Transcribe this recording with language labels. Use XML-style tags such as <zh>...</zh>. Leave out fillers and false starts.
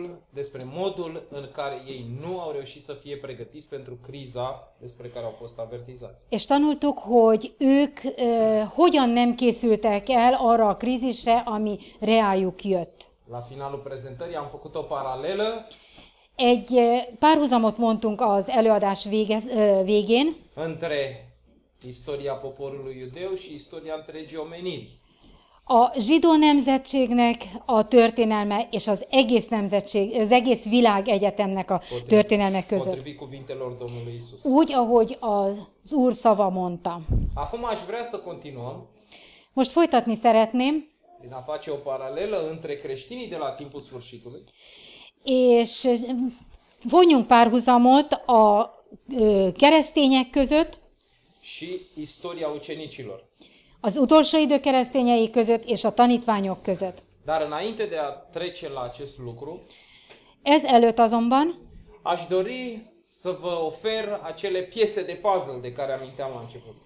<ro>Despre modul în care ei nu au reușit să fie pregătiți pentru criza despre care au fost avertizați.</ro> <hu>És tanultuk, hogy ők hogyan nem készültek el arra a krízisre, ami reájuk jött.</hu> <ro>La finalul prezentării am făcut o paralelă.</ro> <hu>Egy párhuzamot mondtunk az előadás végén.</hu> <ro>Între istoria poporului iudeu și istoria întregii omeniri.</ro> <hu>A zsidó nemzetségnek a történelme és az egész nemzetség, az egész világ egyetemnek a történelme között.</hu> <ro>Potrivit cuvintelor Domnului Iisus.</ro> <hu>Úgy, ahogy az Úr szava mondta.</hu> <ro>Acum aș vrea să continuăm.</ro> <hu>Most folytatni szeretném.</hu> <ro>A face o paralelă între creștinii de la timpul sfârșitului.</ro> <hu>És vonjunk párhuzamot a keresztények között</hu> <ro>și istoria ucenicilor.</ro> <hu>Az utolsó idő keresztényei között és a tanítványok között.</hu> <ro>Dar înainte de a trece la acest lucru,</ro> <hu>ez előtt azonban</hu> <ro>aș dori să vă ofer acele piese de puzzle de care aminteam la început.</ro>